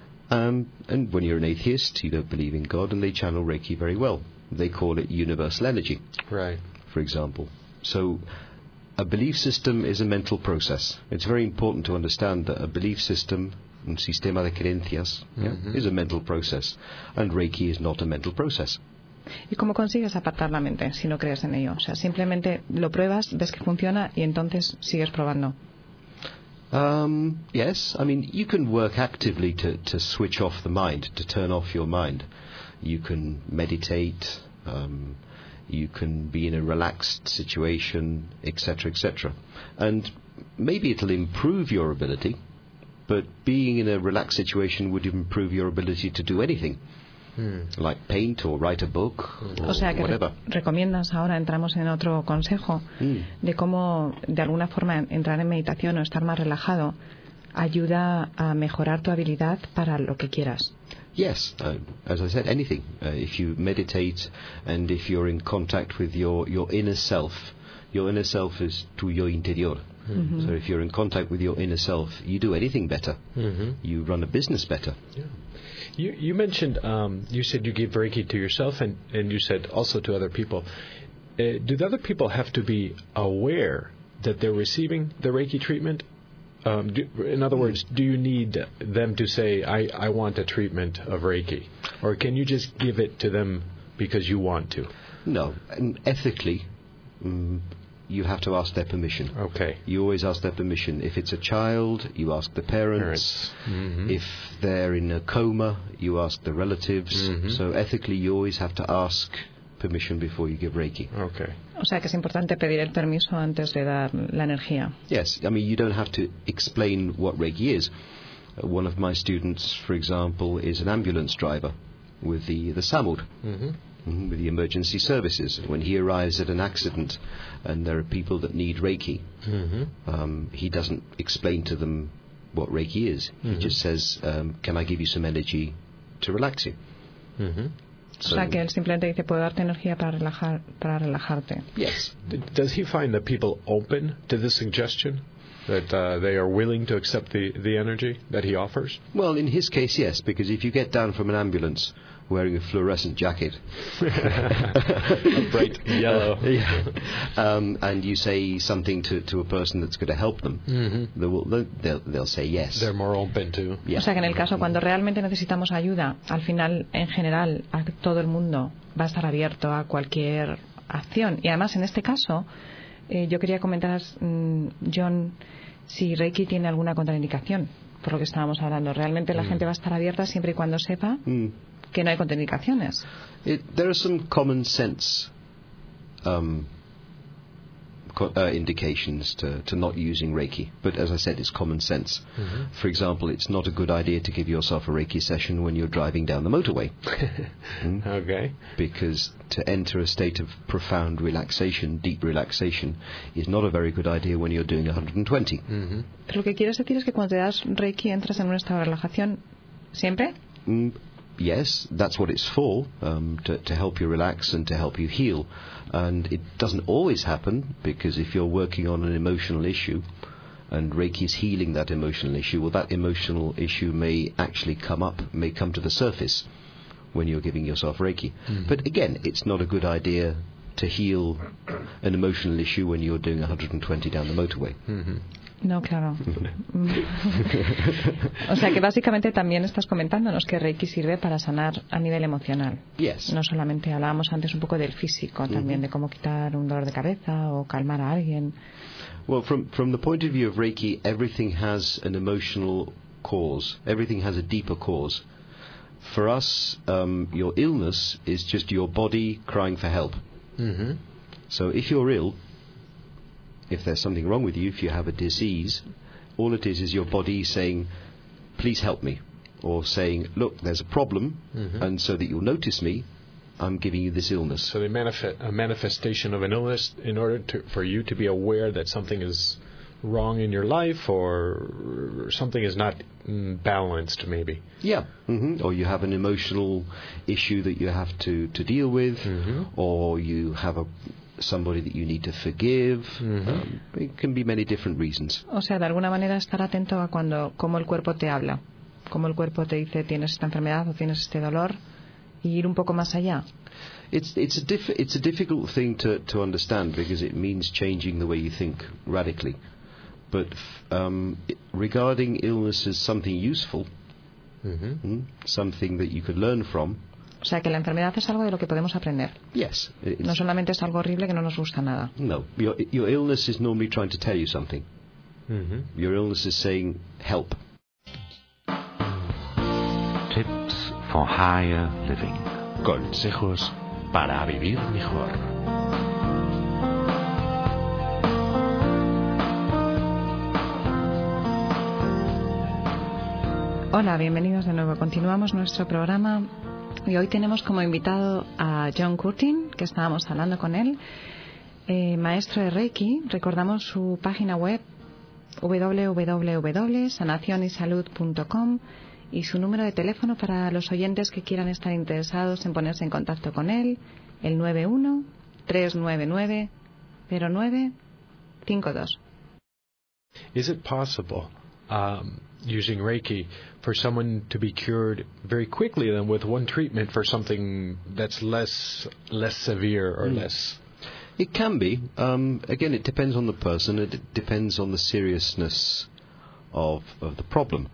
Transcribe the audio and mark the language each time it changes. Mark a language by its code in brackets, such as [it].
[en] And when you're an atheist, you don't believe in God, and they channel Reiki very well. They call it universal energy. Right. For example. So a belief system is a mental process. It's very important to understand that a belief system, [es] un sistema de creencias, mm-hmm. [en] is a mental process, and Reiki is not a mental process. [es] ¿Y cómo consigues apartar la mente si no crees en ello? O sea, simplemente lo pruebas, ves que funciona y entonces sigues probando. [en] Yes, I mean, you can work actively to switch off the mind, to turn off your mind. You can meditate, you can be in a relaxed situation, etc., etc. And maybe it'll improve your ability. But being in a relaxed situation would improve your ability to do anything, like paint or write a book or whatever. [es] O sea, que recomiendas ahora, entramos en otro consejo, de cómo, de alguna forma, entrar en meditación o estar más relajado ayuda a mejorar tu habilidad para lo que quieras. [en] Yes, as I said, anything. If you meditate and if you're in contact with your inner self, your inner self is [es] tu yo interior. Mm-hmm. [en] So if you're in contact with your inner self, you do anything better. Mm-hmm. You run a business better. Yeah. You mentioned, you said you give Reiki to yourself and you said also to other people. Do the other people have to be aware that they're receiving the Reiki treatment? In other words, do you need them to say, I want a treatment of Reiki? Or can you just give it to them because you want to? No. And ethically, you have to ask their permission. Okay. You always ask their permission. If it's a child, you ask the parents. Mm-hmm. If they're in a coma, you ask the relatives. Mm-hmm. So ethically, you always have to ask permission before you give Reiki. Okay. [es] O sea, que es importante pedir el permiso antes de dar la energía. [en] Yes. I mean, you don't have to explain what Reiki is. One of my students, for example, is an ambulance driver with the SAMUD. Mm-hmm. With the emergency services. When he arrives at an accident and there are people that need Reiki, mm-hmm. He doesn't explain to them what Reiki is. Mm-hmm. He just says, can I give you some energy to relax you? Mm-hmm. [es] So, o sea, que él simplemente dice, ¿puedo darte energía para relajarte? [en] Yes. Does he find that people open to the suggestion? That they are willing to accept the energy that he offers? Well, in his case, yes, because if you get down from an ambulance wearing a fluorescent jacket, a bright yellow, yeah. And you say something to a person that's going to help them, mm-hmm. they'll say yes. They're more open to. Yeah. [es] O sea, que en el caso cuando realmente necesitamos ayuda, al final, en general, a todo el mundo va a estar abierto a cualquier acción. Y además, en este caso, yo quería comentar, John, si Reiki tiene alguna contraindicación por lo que estábamos hablando. Realmente la gente va a estar abierta siempre y cuando sepa que no hay contraindicaciones. [en] There are some common sense indications to not using Reiki, but as I said, it's common sense. Mm-hmm. For example, it's not a good idea to give yourself a Reiki session when you're driving down the motorway. Okay. Because to enter a state of profound relaxation, deep relaxation, is not a very good idea when you're doing 120. Mm-hmm. [es] Pero lo que quieres decir es que cuando te das Reiki entras en un estado de relajación siempre. [en] Yes, that's what it's for, to help you relax and to help you heal. And it doesn't always happen, because if you're working on an emotional issue and Reiki's healing that emotional issue, well, that emotional issue may actually come up, may come to the surface when you're giving yourself Reiki. Mm. But again, it's not a good idea to heal an emotional issue when you're doing 120 down the motorway. [es] Mm-hmm. No, claro. O sea, que básicamente también estás comentándonos que Reiki sirve para sanar a nivel emocional. [en] Yes. [es] No solamente hablábamos antes un poco del físico, también mm-hmm. de cómo quitar un dolor de cabeza o calmar a alguien. [en] Well, from the point of view of Reiki, everything has an emotional cause. Everything has a deeper cause. For us, your illness is just your body crying for help. Mm-hmm. So if you're ill, if there's something wrong with you, if you have a disease, all it is your body saying, please help me. Or saying, look, there's a problem, mm-hmm. and so that you'll notice me, I'm giving you this illness. So they manifest a manifestation of an illness in order to, for you to be aware that something is wrong in your life or something is not balanced, maybe. Yeah. Mm-hmm. Or you have an emotional issue that you have to deal with, mm-hmm. or you have somebody that you need to forgive. Mm-hmm. It can be many different reasons. [es] O sea, de alguna manera estar atento a cuando cómo el cuerpo te habla, cómo el cuerpo te dice tienes esta enfermedad o tienes este dolor. Ir un poco más allá. [en] It's a difficult thing to understand because it means changing the way you think radically. But regarding illness as something useful, mm-hmm. Something that you could learn from. [es] O sea, que la enfermedad es algo de lo que podemos aprender. [en] Yes. [es] No solamente es algo horrible que no nos gusta nada. [en] No. Your illness is normally trying to tell you something. Mm-hmm. Your illness is saying help. Tips for higher living. [es] Consejos para vivir mejor. Hola, bienvenidos de nuevo. Continuamos nuestro programa y hoy tenemos como invitado a John Curtin, que estábamos hablando con él, maestro de Reiki. Recordamos su página web www.sanacionysalud.com. Y su número de teléfono para los oyentes que quieran estar interesados en ponerse en contacto con él, el 91-399-0952. [en] Is it possible, using Reiki, for someone to be cured very quickly than with one treatment for something that's less severe or less? It can be. Again, it depends on the person. It depends on the seriousness of the problem.